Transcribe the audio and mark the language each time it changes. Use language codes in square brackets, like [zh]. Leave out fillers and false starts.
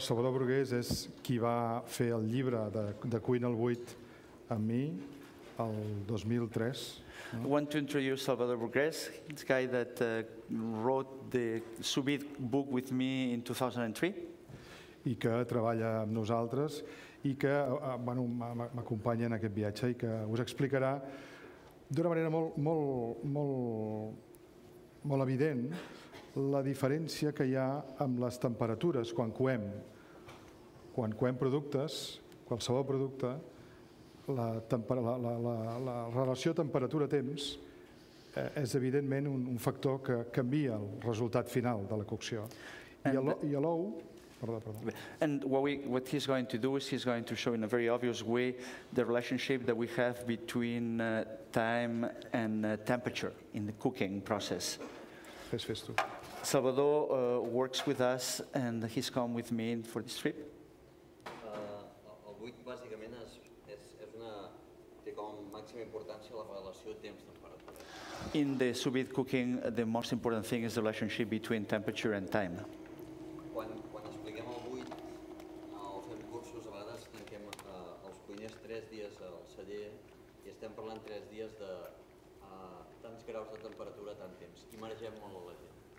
[ca] Salvador Brugués és qui va fer el llibre de cuina al buit amb mi el 2003. [en] I want to introduce Salvador Brugués, this guy that wrote the Subit book with me in 2003. [ca] I que treballa amb nosaltres i que bueno, m'acompanya en aquest viatge i que us explicarà d'una manera molt evident la diferència que hi ha amb les temperatures quan coem. Quan coem productes, qualsevol producte, la relació temperatura-temps és evidentment un factor que canvia el resultat final de la cocció. I a l'ou... [en] And what he's going to do is he's going to show in a very obvious way the relationship that we have between time and temperature in the cooking process. [ca] Fes tu. [en] Salvador works with us and he's come with me for this trip. [ca] Avui bàsicament és una té com màxima importància la relació temps-temperatura. [en] In the sous vide cooking, the most important thing is the relationship between temperature and time. [ca] Quan expliquem el buit o fem cursos, a vegades tanquem els cuiners 3 dies al celler i estem parlant 3 dies de tants graus de temperatura, tant temps, i maregem molt la gent.